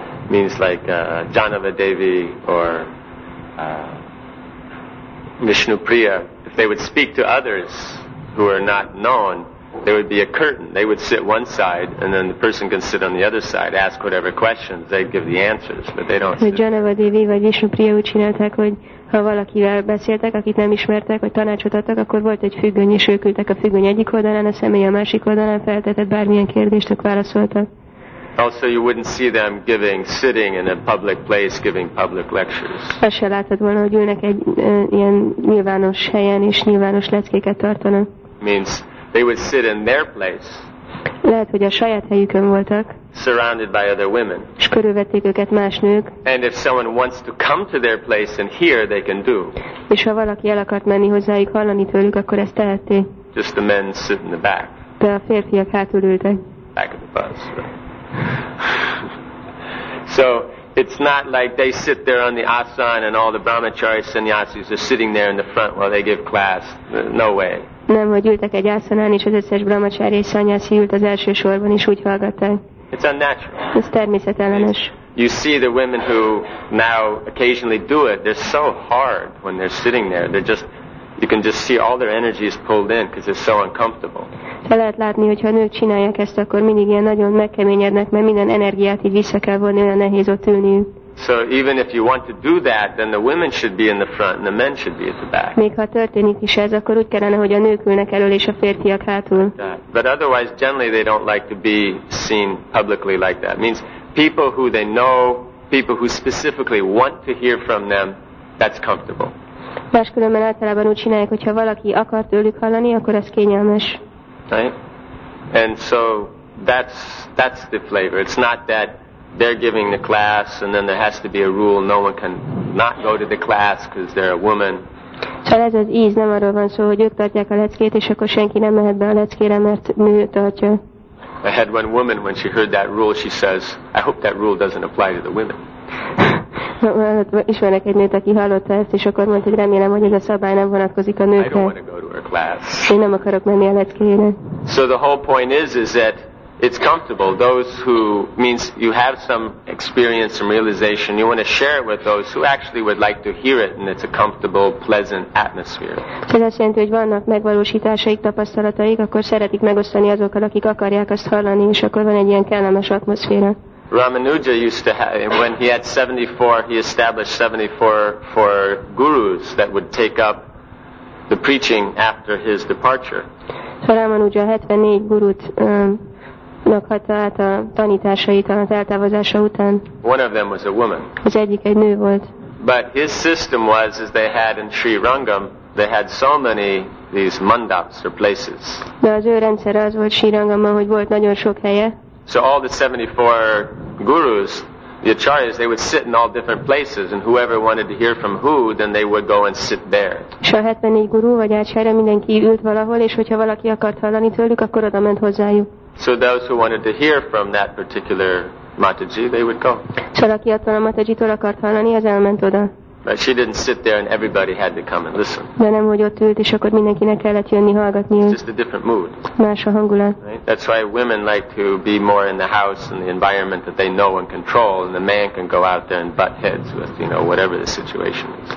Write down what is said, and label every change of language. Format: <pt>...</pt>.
<en>Means like Janava Devi or Vishnupriya, if they would speak to others who are not known, there would be a curtain. They would sit one side, and then the person can sit on the other side, ask whatever questions. They'd give the answers, but they don't.</en> <hu>Janava Devi vagy Vishnupriya úgy csinálták, hogy ha valakivel beszéltek, akit nem ismertek, vagy tanácsot adtak, akkor volt egy függöny, és ők ültek a függöny egyik oldalán, a személy a másik oldalán, feltetett bármilyen kérdést, ők válaszoltak.</hu> <en>Also, you wouldn't see them sitting in a public place giving public lectures.</en> <hu>Azt se láttad volna, hogy ülnek egy ilyen nyilvános helyen és nyilvános leckéket tartanak.</hu> <en>Means they would sit in their place.</en> <hu>Lehet, hogy a saját helyükön voltak.</hu> <en>surrounded by other women.</en> <hu>És körülvették őket más nők.</hu> <en>And if someone wants to come to their place and hear, they can do.</en> <hu>És ha valaki el akart menni hozzájuk hallani tőlük, akkor ezt tehette.</hu> <en>Just the men sit in the back.</en> <hu>De a férfiak hátul ültek.</hu> <en>Back of the bus. So it's not like they sit there on the asan and all the brahmachari sannyasis are sitting there in the front while they give class. No way.</en> <hu>Nem, hogy ültek egy asanán, és az összes brahmachari sannyasi ült az első sorban, és úgy hallgatták.</hu> <en>It's unnatural.</en> <hu>Ez természetellenes.</hu> <en>You see the women who now occasionally do it, they're so hard when they're sitting there. They're just, you can just see all their energy is pulled in because it's so uncomfortable.</en> <hu>De lehet látni, hogyha a nők csinálják ezt, akkor mindig ilyen nagyon megkeményednek, mert minden energiát így vissza kell vonni, olyan nehéz ott ülni.</hu> <en>So even if you want to do that, then the women should be in the front and the men should be at the back.</en> <hu>Még ha történik is ez, akkor úgy kellene, hogy a nők ülnek elől és a férfiak hátul.</hu> <en>But otherwise, generally they don't like to be seen publicly like that. It means people who they know, people who specifically want to hear from them, that's comfortable.</en> <hu>Máskülönben általában úgy csinálják, hogyha valaki akar tőlük hallani, akkor ez kényelmes.</hu> <en>Right? And so that's the flavor. It's not that they're giving the class and then there has to be a rule no one can not go to the class because they're a woman.</en> <hu>Szóval ez az íz, nem arról van szó, hogy ők tartják a leckét, és akkor senki nem mehet be a leckére, mert nő tartja.</hu> <en>I had one woman, when she heard that rule, she says, I hope that rule doesn't apply to the women.</en> <hu>Ismernek egy nőt, aki hallotta ezt, és akkor mondta, hogy remélem, hogy ez a szabály nem vonatkozik a nőkre.</hu> <en>I don't want to go to her class.</en> <hu>Én nem akarok menni a leckére.</hu> <en>So the whole point is that it's comfortable. Those who means you have some experience, some realization, you want to share it with those who actually would like to hear it, and it's a comfortable, pleasant atmosphere.</en> <hu>Ez azt jelenti, hogy vannak megvalósításaik, tapasztalataik, akkor szeretik megosztani azokkal, akik akarják azt hallani, és akkor van egy ilyen kellemes atmoszféra.</hu> <en>Ramanuja used to have, when he had 74, he established 74 for gurus that would take up the preaching after his departure.</en> <hu>So Ramanuja 74 gurut meghatta át a tanításait az eltávozása után.</hu> <en>One of them was a woman.</en> <hu>Az egyik egy nő volt.</hu> <en>But his system was, as they had in Sri Rangam, they had so many these mandaps or places.</en> <hu>De az ő rendszer az volt Sri Rangamban, hogy volt nagyon sok helye.</hu> <en>So all the 74 gurus, the acharyas, they would sit in all different places, and whoever wanted to hear from who, then they would go and sit there.</en> <hu>És a 74 guru vagy acharya mindenki ült valahol, és hogyha valaki akart hallani tőlük, akkor oda ment hozzájuk.</hu> <en>So those who wanted to hear from that particular Mataji, they would go.</en> <hu>Szóval aki attól a Matajitól akart hallani, az elment oda.</hu> <en>But she didn't sit there and everybody had to come and listen.</en> <hu>De nem, hogy ott ült, és akkor mindenkinek kellett jönni hallgatni.</hu> <en>It's just a different mood.</en> <hu>Más a hangulat.</hu> <en>Right? That's why women like to be more in the house and the environment that they know and control, and the man can go out there and butt heads with, you know, whatever the situation is.</en>